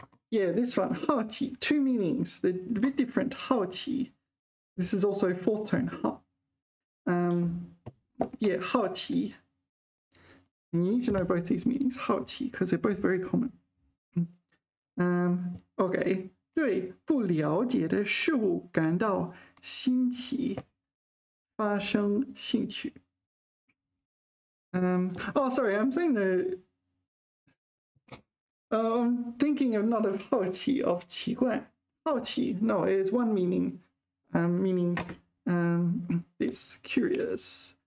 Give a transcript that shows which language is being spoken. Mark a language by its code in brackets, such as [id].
[en] Yeah, this one, 好奇, two meanings, they're a bit different. 好奇, this is also fourth tone. 好, yeah, 好奇, and you need to know both these meanings, 好奇, because they're both very common. Okay, [zh] 对不了解的事物感到新奇, 发生兴趣. [en] Oh, sorry, I'm saying the, I'm thinking of not of 好奇, of 奇怪. 好奇, no, it's one meaning, meaning this, curious.